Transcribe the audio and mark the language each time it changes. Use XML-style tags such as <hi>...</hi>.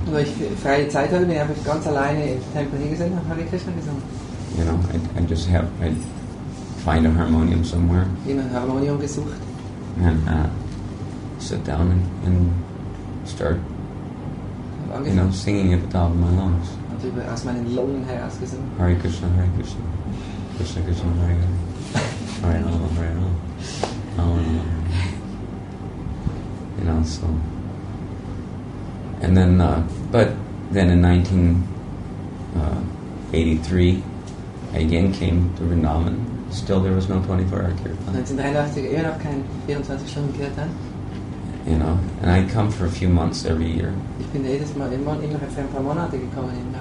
<de>Weil ich freie Zeit hatte, bin ich einfach ganz alleine im Tempel hingesetzt und Hare Krishna gesungen.</de> <en>You know, I just have, I find a harmonium somewhere.</en> <de>Ich habe ein Harmonium gesucht.</de> <en>And sit down and start, you know, singing at the top of my lungs.</en> <de>Und über aus meinen Lungen heraus gesungen.</de> <sa>Hare Krishna, Hare Krishna. Krishna Krishna, Hare Hare. Hare Rama, Hare Rama. Rama Rama.</sa> <en>You know, so. And then, but then in 1983, I again came to Vrindavan. Still, there was no 24-hour kirtan.</en> <de>1983,</de> <en>you have</en> <de>kein 24-Stunden kirtan.</de> <en>You know, and I come for a few months every year.</en> <de>Ich bin jedes Mal immer für ein paar Monate gekommen.</de>